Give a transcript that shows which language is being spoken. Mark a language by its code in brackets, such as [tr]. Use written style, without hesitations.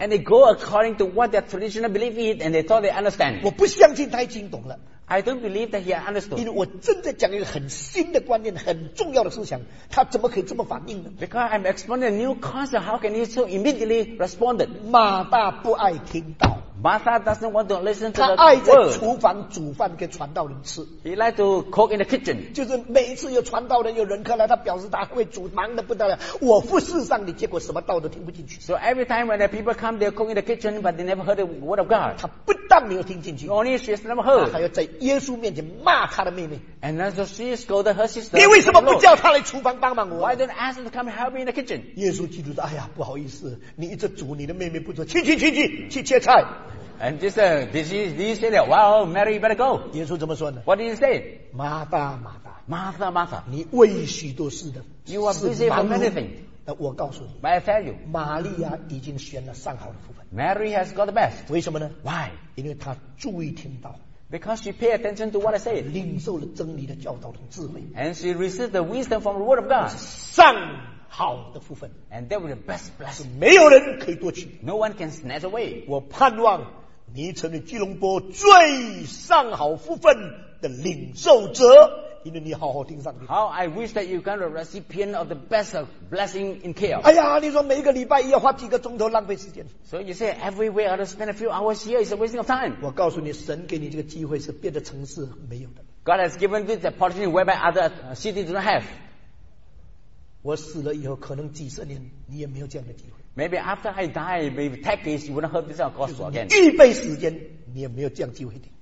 [en] And they go according to what their traditional belief is, and they thought they understand. [zh] 我不相信他已经懂了。 [en] I don't believe that he understood. [zh] 因为我正在讲一个很新的观念，很重要的思想，他怎么可以这么反应呢？ [en] Because I'm explaining a new concept, how can he so immediately respond? [zh] 马大不爱听到。 [en] Martha doesn't want to listen to the word. [zh] 他爱在厨房煮饭给传道人吃。 [en] He likes to cook in the kitchen. [zh] 就是每一次有传道人有人客来，他表示他会煮，忙得不得了。我服侍上帝，结果什么道都听不进去。 [en] So every time when the people come, they cook in the kitchen, but they never heard the word of God. [zh] 他不但没有听进去 [en] ，Only she has never heard. [zh] 他还要在耶稣面前骂他的妹妹。 [en] And then so she scolded her sister. [zh] 你为什么不叫他来厨房帮忙我 [en] ？Why don't ask her to come help me in the kitchen? [zh] 耶稣基督说：“哎呀，不好意思，你一直煮，你的妹妹不做，去切菜。” [en] And just did she say that? Well, Mary, you better go. [zh] 耶稣怎么说呢？ [en] What did he say? [zh] 马大，马大， [en] Martha, Martha. [zh] 你为许多事的 [en] ，You are busy for many things. [zh] 但我告诉你 [en] ，But I tell you, [zh] 玛利亚已经选了上好的部分。 [en] Mary has got the best. [zh] 为什么呢 [en] ？Why? [zh] 因为她注意听到。 [en] Because she paid attention to what I said. [zh] 领受了真理的教导的智慧。 [en] And she received the wisdom from the word of God. [zh] 上好的部分。 [en] And that was the best blessing. [zh] 没有人可以夺取。 [en] No one can snatch away. [zh] 我盼望你成为基隆坡最上好部分的领受者，因为你好好听上帝。 [en] How I wish that you got the recipient of the best blessing in KL. [zh] 哎呀，你说每一个礼拜要花几个钟头浪费时间。 [en] So you say every week I have to spend a few hours here is a wasting of time. [zh] 我告诉你，神给你这个机会是别的城市没有的。 [en] God has given this opportunity whereby other cities do not have. [zh] 我死了以后，可能几十年你也没有这样的机会。 [en] Maybe after I die, maybe decades, you wouldn't have this kind of gospel again. [zh] 预备时间，你也没有这样机会听。